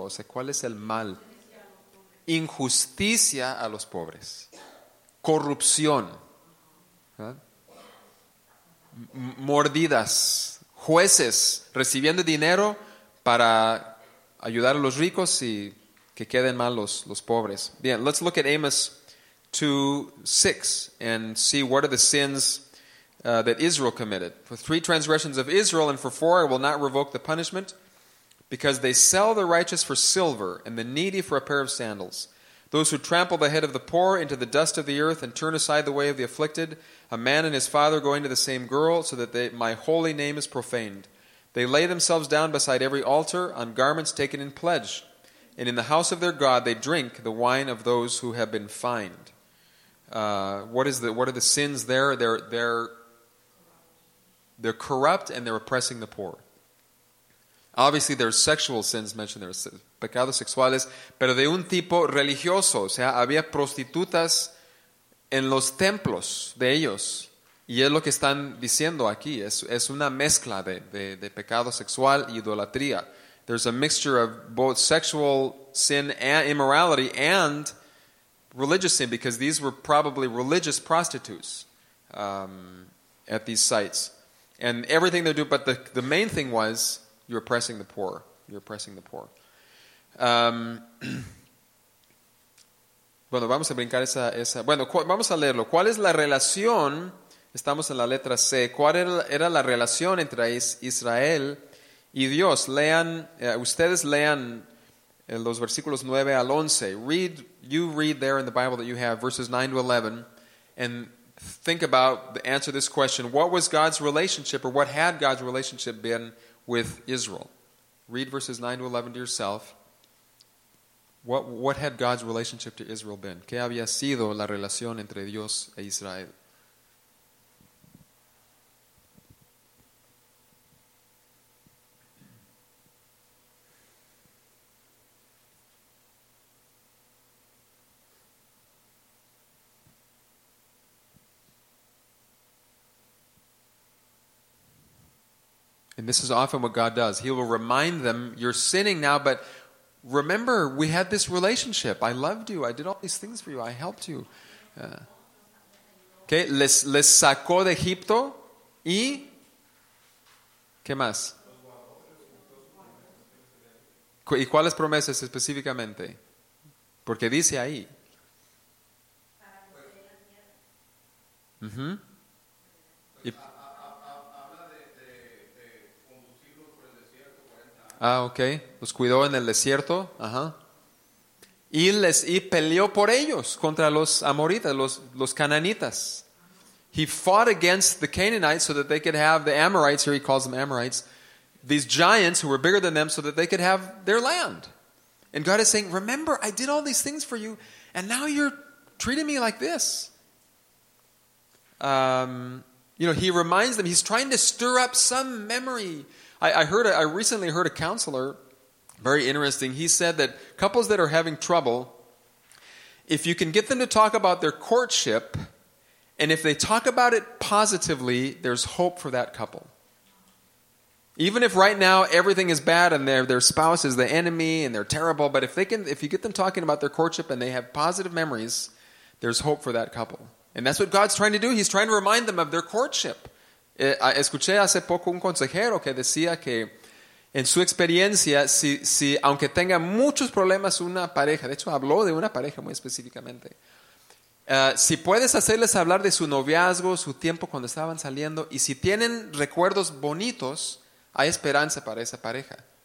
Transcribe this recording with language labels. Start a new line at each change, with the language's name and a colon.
Spanish: O sea, ¿cuál es el mal? Injusticia a los pobres, corrupción, mordidas, jueces recibiendo dinero para ayudar a los ricos y que queden mal los pobres.
English: Bien, let's look at Amos 2:6 and see what are the sins that Israel committed. For three transgressions of Israel and for four I will not revoke the punishment, because they sell the righteous for silver and the needy for a pair of sandals. Those who trample the head of the poor into the dust of the earth and turn aside the way of the afflicted, a man and his father going to the same girl, so that my holy name is profaned. They lay themselves down beside every altar on garments taken in pledge, and in the house of their God they drink the wine of those who have been fined. What are the sins there? They're corrupt and they're oppressing the poor. Obviously, there are sexual sins mentioned there,
Spanish: pecados sexuales, pero de un tipo religioso. O sea, había prostitutas en los templos de ellos. Y es lo que están diciendo aquí. Es una mezcla de pecado sexual y idolatría.
English: There's a mixture of both sexual sin and immorality and religious sin, because these were probably religious prostitutes at these sites. And everything they do, but the main thing was, you're oppressing the poor. You're oppressing the poor.
Spanish: Bueno, vamos a brincar esa. Bueno, vamos a leerlo. ¿Cuál es la relación? Estamos en la letra C. ¿Cuál era la relación entre Israel y Dios? Lean, ustedes lean los versículos 9 al 11.
English: You read there in the Bible that you have, verses 9 to 11. And think about the answer to this question. What was God's relationship, or what had God's relationship been with Israel? Read verses 9 to 11 to yourself. What had God's relationship to Israel been?
Spanish: ¿Qué había sido la relación entre Dios e Israel?
English: And this is often what God does. He will remind them, you're sinning now, but remember, we had this relationship. I loved you. I did all these things for you. I helped you.
Spanish: Okay, les sacó de Egipto y ¿qué más? ¿Y cuáles promesas específicamente? Porque dice ahí. Ah, okay. Los cuidó en el desierto. Ajá. Y les y peleó por ellos contra los amoritas, los cananitas.
English: He fought against the Canaanites so that they could have the Amorites, here he calls them Amorites, these giants who were bigger than them so that they could have their land. And God is saying, remember, I did all these things for you, and now you're treating me like this. You know, he reminds them, he's trying to stir up some memory. I recently heard a counselor, very interesting, he said that couples that are having trouble, if you can get them to talk about their courtship, and if they talk about it positively, there's hope for that couple. Even if right now everything is bad and their spouse is the enemy and they're terrible, but if you get them talking about their courtship and they have positive memories, there's hope for that couple. And that's what God's trying to do. He's trying to remind them of their courtship.
Spanish: Escuché hace poco un consejero que decía que en su experiencia, si aunque tenga muchos problemas una pareja, de hecho habló de una pareja muy específicamente, si puedes hacerles hablar de su noviazgo, su tiempo cuando estaban saliendo, y si tienen recuerdos bonitos, hay esperanza para esa pareja.